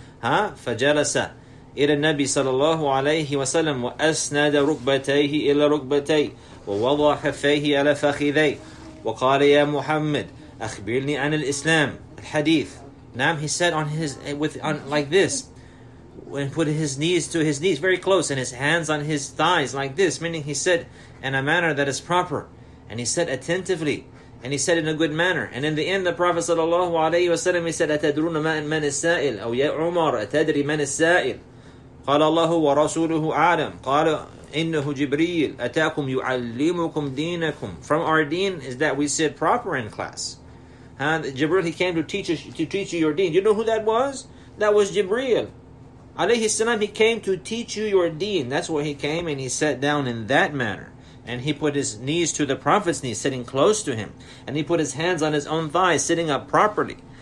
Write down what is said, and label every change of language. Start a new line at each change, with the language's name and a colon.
Arabic: فَجَلَسَ إِلَى النَّبِي صَلَى اللَّهُ عَلَيْهِ وَسَلَّمْ وَأَسْنَدَ رُكْبَتَيْهِ إِلَى رُكْبَتَيْهِ وَوَضَعَ خَفَّيْهِ عَلَى فَخِذَيْهِ وَقَالَ يَا مُحَمَّدُ أَخْبِرْنِي عَنِ الْإِسْلَامِ الْحَدِيثِ.
English: Now he sat on his like this and put his knees to his knees very close and his hands on his thighs like this, meaning he said in a manner that is proper and he said attentively. And he said in a good manner. And in the end, the Prophet sallallahu alayhi wa sallam, he said,
Arabic: أَتَدْرُونَ مَنِ السَّائِلِ أَوْ يَا عُمَرَ أَتَدْرِ مَنِ السَّائِلِ قَالَ اللَّهُ وَرَسُولُهُ عَالَمْ قَالَ إِنَّهُ جِبْرِيلُ أَتَاكُمْ يُعَلِّمُكُمْ دِينَكُمْ.
English: From our deen is that we sit proper in class. Jibreel, he came to teach you your deen. You know who that was? That was Jibreel. Alayhi salam, he came to teach you your deen. That's where he came and he sat down in that manner. And he put his knees to the Prophet's knees, sitting close to him. And he put his hands on his own thighs, sitting up properly.